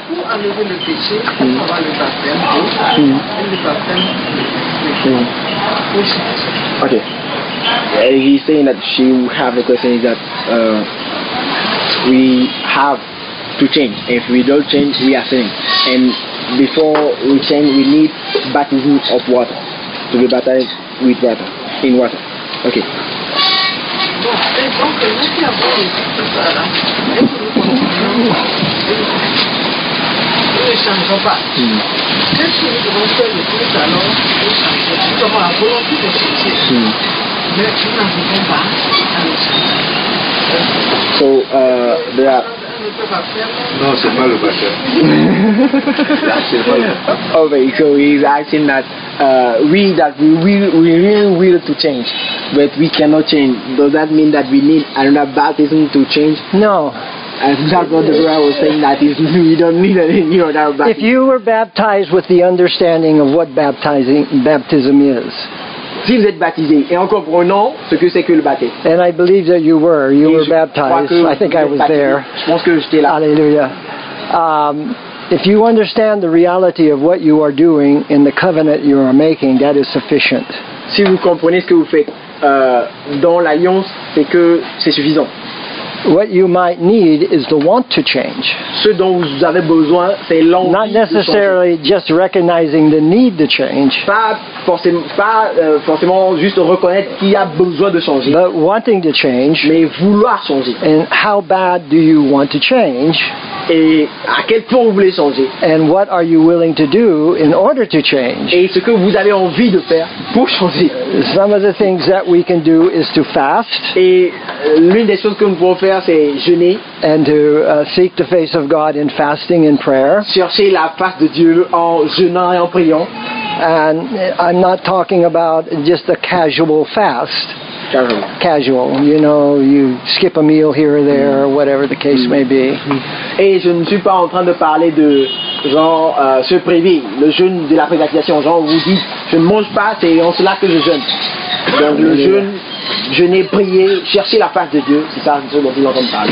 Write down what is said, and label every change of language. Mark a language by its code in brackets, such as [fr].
[fr] Pour enlever le péché, il faut avoir le baptême d'eau et le baptême d'eau. Ok. [en] He's saying that she have a question is that we have to change. If we don't change, we are sinning. And before we change, we need baptism of water to be baptized with water in water. Okay. So, there are... [fr] No, c'est pas le baptême. [en] Okay, so he's asking that we really will to change, but we cannot change. Does that mean that we need another baptism to change? No. That's what the Lord was saying, that is, we don't need any other baptism. If you were baptized with the understanding of what baptism is, [fr] si vous êtes baptisé et en comprenant ce que c'est que le baptême. [en] And I believe that you were. You were baptized. I think I was there. [fr] Je pense que j'étais là. Hallelujah. [en] If you understand the reality of what you are doing in the covenant you are making, that is sufficient. [fr] Si vous comprenez ce que vous faites dans l'alliance, c'est que c'est suffisant. [en] What you might need is the want to change. [fr] Ce dont vous avez besoin, c'est l'envie de changer. [en] Not necessarily just recognizing the need to change. [fr] Pas forcément juste reconnaître qu'il y a besoin de changer. [en] But wanting to change. [fr] Mais vouloir changer. [en] And how bad do you want to change? [fr] Et à quel point vous voulez changer? [en] And what are you willing to do in order to change? [fr] Et ce que vous avez envie de faire pour changer? [en] Some of the things that we can do is to fast. [fr] Et l'une des choses que nous pouvons faire, c'est jeûner. [en] And to seek the face of God in fasting and prayer. [fr] Chercher la face de Dieu en jeûnant et en priant. [en] And I'm not talking about just a casual fast. Casual. You know, you skip a meal here or there, or whatever the case may be. [fr] Et je ne suis pas en train de parler de genre se priver, le jeûne de la privatisation. Genre, vous dites, je ne mange pas, c'est en cela que je jeûne. Donc, le jeûne, jeûner, prier, chercher la face de Dieu, c'est ça dont vous êtes en train de parler.